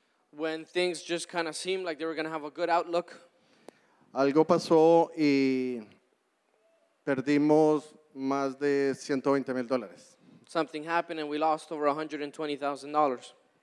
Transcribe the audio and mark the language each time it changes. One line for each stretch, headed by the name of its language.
English: When things just kind of seemed like they were going to have a good outlook.
Spanish: Algo pasó y perdimos más de $120,000.
English: Something happened and we lost over $120,000.